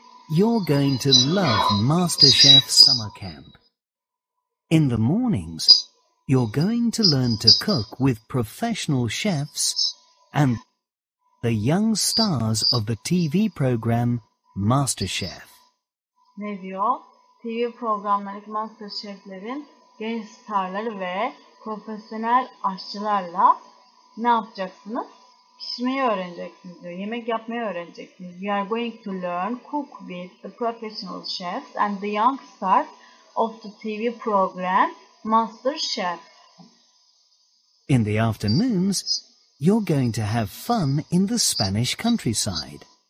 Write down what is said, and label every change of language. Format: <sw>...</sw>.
<en>You're going to love MasterChef summer camp. In the mornings, you're going to learn to cook with professional chefs and the young stars of the TV program MasterChef.</en> <tr>Ne diyor? TV programlarındaki MasterChef'lerin genç starları ve profesyonel aşçılarla ne yapacaksınız? Pişirmeyi öğreneceksiniz diyor. Yemek yapmayı öğreneceksiniz.</tr> <en>We are going to learn cook with the professional chefs and the young stars of the TV program MasterChef. In the afternoons, you're going to have fun in the Spanish countryside.</en>